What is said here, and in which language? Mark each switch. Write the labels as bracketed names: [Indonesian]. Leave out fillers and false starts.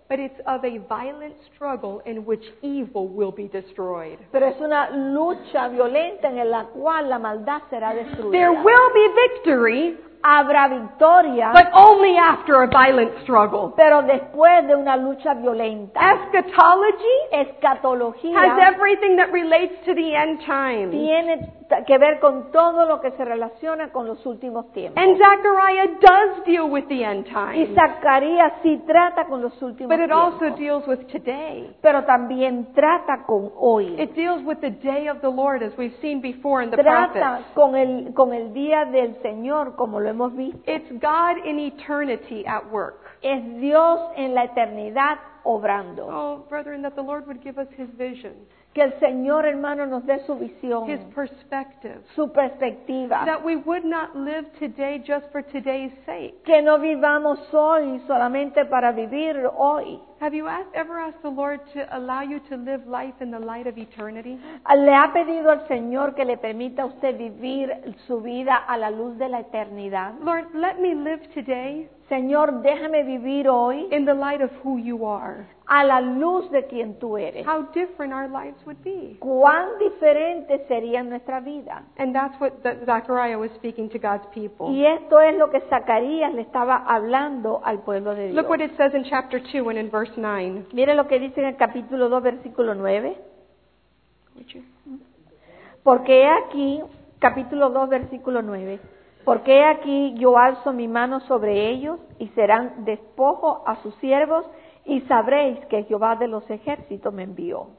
[English] But it's of a violent struggle in which evil will be destroyed. [Spanish] Pero es una lucha violenta en la cual la maldad será destruida. [English] There will be victory. [Spanish] Habrá victoria, [English] but only after a violent struggle. [Spanish] Pero después de una lucha violenta. [English] Eschatología has everything that relates to the end times. [Spanish] Tiene que ver con todo lo que se relaciona con los últimos tiempos. [English] And Zechariah does deal with the end times. [Spanish] Y Zacarías sí trata con los últimos [English] but it [Spanish] tiempos. [English] Also deals with today. [Spanish] Pero también trata con hoy. [English] It deals with the day of the Lord as we've seen before in the [Spanish] trata [English] prophets. [Spanish] Trata con el día del Señor como lo hemos visto. [English] It's God in eternity at work. [Spanish] Es Dios en la eternidad obrando. [English] Oh, brethren, that the Lord would give us His vision. [Spanish] Que el Señor, hermano, nos dé su visión. [English] His perspective. [Spanish] Su perspectiva. [English] That we would not live today just for today's sake. [Spanish] Que no vivamos hoy solamente para vivir hoy. [English] Have you ever asked the Lord to allow you to live life in the light of eternity? [Spanish] ¿Le ha pedido al Señor que le permita a usted vivir su vida a la luz de la eternidad? [English] Lord, let me live today. [Spanish] Señor, déjame vivir hoy [English] in the light of who you are. [Spanish] A la luz de quien tú eres. [English] How different our lives would be. [Spanish] Cuán diferente sería nuestra vida. [English] And that's what Zechariah was speaking to God's people. [Spanish] Y esto es lo que Zacarías le estaba hablando al pueblo de Dios. [English] Look what it says in chapter 2 and in verse 9. [Spanish] Mire lo que dice en el capítulo 2, versículo 9. Porque he aquí, capítulo 2, versículo 9. Porque he aquí yo alzo mi mano sobre ellos y serán despojo a sus siervos y sabréis que Jehová de los ejércitos me envió.